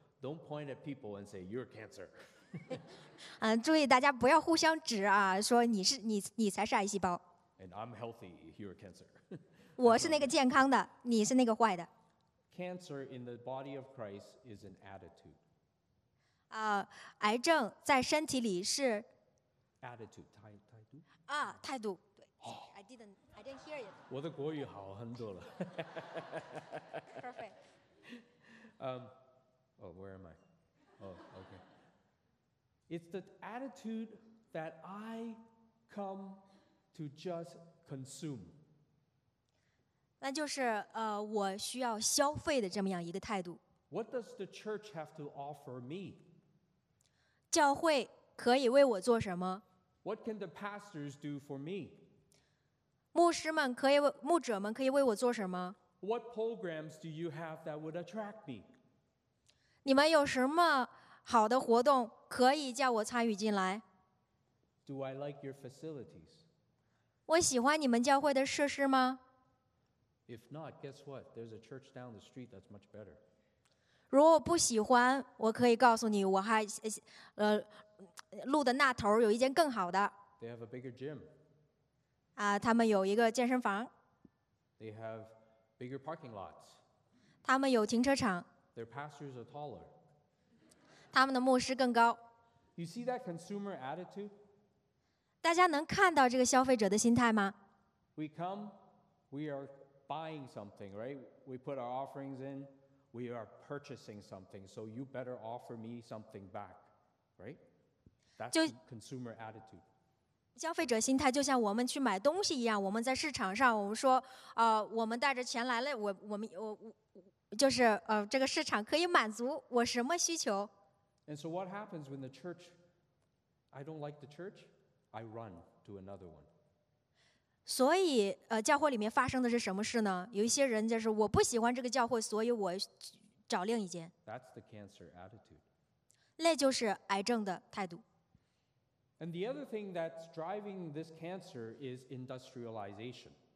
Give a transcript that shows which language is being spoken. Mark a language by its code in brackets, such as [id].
[en] Don't point at people and say you're cancer. [zh] 注意大家不要互相指啊，说你才是癌细胞。 [en] And I'm healthy. You're cancer. [zh] 我是那个健康的，你是那个坏的。 [en] Cancer in the body of Christ is an attitude. [zh] 癌症在身体里是 attitude 态度啊，态度对。 [en] I didn't hear it. [zh] 我的国语好很多了。 [en] Perfect. Where am I? Okay. It's the attitude that I come to just consume. [zh] 那就是我需要消费的这么样一个态度。 [en] What does the church have to offer me? [zh] 教会可以为我做什么？ [en] What can the pastors do for me? [zh] 牧者们可以为我做什么？ [en] What programs do you have that would attract me? [zh] 你们有什么好的活动可以叫我参与进来。 [en] Do I like your facilities? [zh] 我喜欢你们教会的设施吗？ [en] If not, guess what? There's a church down the street that's much better. [zh] 如果不喜欢，我可以告诉你，我还路的那头有一间更好的。 [en] They have a bigger gym. [zh] 啊，他们有一个健身房。 [en] They have bigger parking lots. [zh] 他们有停车场。 [en] Their pastors are taller. [zh] 他们的牧师更高。 [en] You see that consumer attitude? [zh] 大家能看到这个消费者的心态吗？ [en] We come, we are buying something, right? We put our offerings in, we are purchasing something. So you better offer me something back, right? That's consumer attitude. [zh] 消费者心态就像我们去买东西一样，我们在市场上，我们说，我们带着钱来了，我们就是这个市场可以满足我什么需求。 [en] And so what happens when the church, I don't like the church, I run to another one. [zh] 所以教会里面发生的是什么事呢？有一些人就是我不喜欢这个教会，所以我找另一间。 [en] That's the cancer attitude. [zh] 那就是癌症的态度。 [en] And the other thing that's driving this cancer is industrialization.